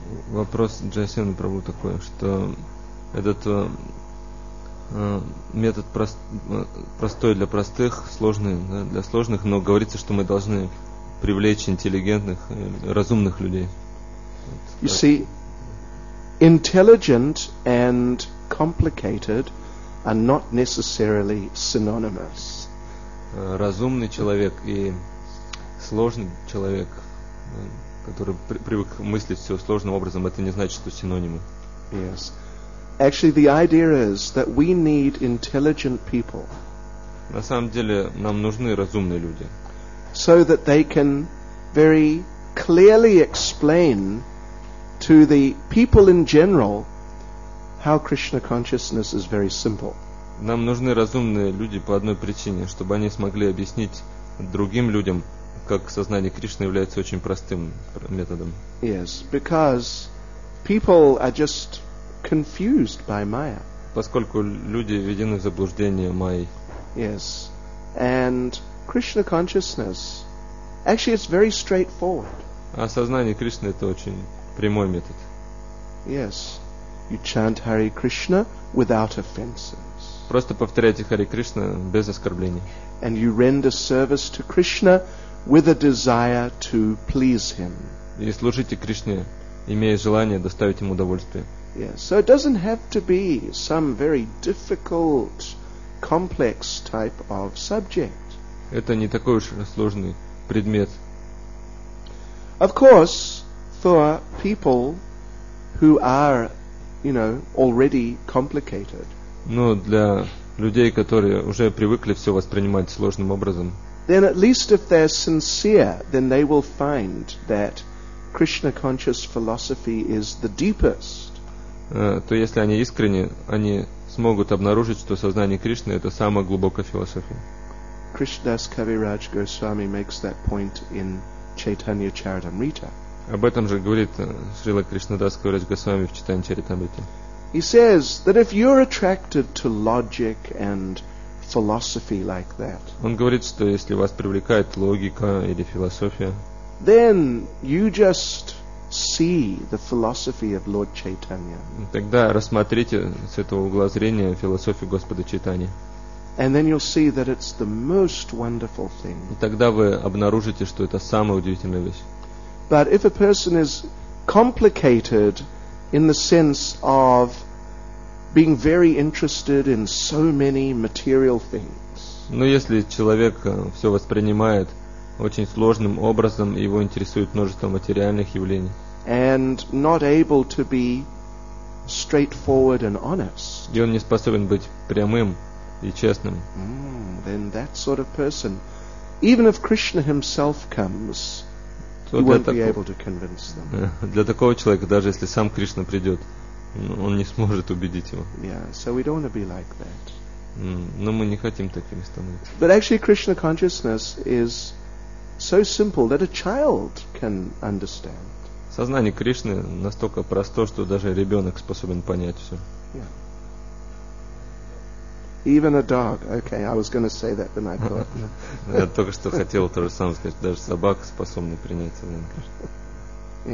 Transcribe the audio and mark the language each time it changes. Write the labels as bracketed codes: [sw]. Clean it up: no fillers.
[ru] Вопрос Джайасена Прабху такой, что этот метод простой для простых, сложный для сложных, но говорится, что мы должны привлечь интеллигентных, разумных людей. [en] You see, intelligent and complicated are not necessarily synonymous. [ru] Разумный человек и сложный человек, который привык мыслить все сложным образом, это не значит, что синонимы. [en] Yes. Actually, the idea is that we need intelligent people. [ru] На самом деле, нам нужны разумные люди. [en] So that they can very clearly explain to the people in general how Krishna consciousness is very simple. [ru] Нам нужны разумные люди по одной причине, чтобы они смогли объяснить другим людям, как сознание Кришны является очень простым методом. [en] Yes, because people are just confused by Maya. [ru] Поскольку люди введены в заблуждение Майей. [en] Yes, and Krishna consciousness, actually, it's very straightforward. [ru] А сознание Кришны это очень прямой метод. [en] Yes, you chant Hare Krishna without offenses. [ru] Просто повторяйте Хари Кришна без оскорблений. [en] And you render service to Krishna with a desire to please Him. [ru] И служите Кришне, имея желание доставить ему удовольствие. [en] Yes, so it doesn't have to be some very difficult, complex type of subject. [ru] Это не такой уж сложный предмет. [en] Of course, for people who are, you know, already complicated. [ru] Но для людей, которые уже привыкли все воспринимать сложным образом. [en] Then at least if they're sincere, then they will find that Krishna conscious philosophy is the deepest. [ru] То если они искренни, они смогут обнаружить, что сознание Кришны это самая глубокая философия. [en] Krishnadas Kaviraj Goswami makes that point in Chaitanya Charitamrita. [ru] Об этом же говорит Шрила Кришнадас Кавирадж Госвами в Чайтанья Чаритамрите. [en] He says that if you're attracted to logic and philosophy like that. [ru] Он говорит, что если вас привлекает логика или философия, [en] then you just see the philosophy of Lord Chaitanya. [ru] Тогда рассмотрите с этого угла зрения философию Господа Чайтаньи. [en] And then you'll see that it's the most wonderful thing. [ru] И тогда вы обнаружите, что это самая удивительная вещь. [en] But if a person is complicated in the sense of being very interested in so many material things. [ru] Но если человек все воспринимает очень сложным образом, его интересует множество материальных явлений. [en] And not able to be straightforward and honest. [ru] И он не способен быть прямым и честным. [en] Then that sort of person, even if Krishna himself comes, he won't be able to convince them. [ru] Для такого человека, даже если сам Кришна придет, он не сможет убедить его. [en] Yeah, so we don't want to be like that. [ru] Но мы не хотим такими становиться. [en] But actually, Krishna consciousness is so simple that a child can understand. [ru] Сознание Кришны настолько просто, что даже ребенок способен понять все. [en] Yeah. Even a dog. Okay, I was going to say that, then I thought. [ru] Я только что хотел то же самое сказать. Даже собака способна принять это.